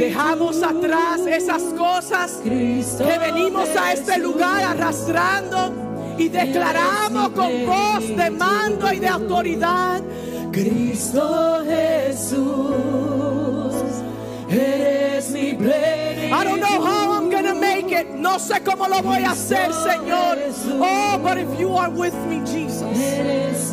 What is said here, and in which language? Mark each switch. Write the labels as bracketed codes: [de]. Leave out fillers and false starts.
[es] Dejamos atrás esas cosas que venimos a este lugar arrastrando y declaramos con voz de mando y de autoridad. Cristo Jesús, eres mi plenitud. [en] I don't know how I'm gonna make it. [es] No sé cómo lo voy a hacer, Señor. [en] Oh, but if you are with me, Jesus.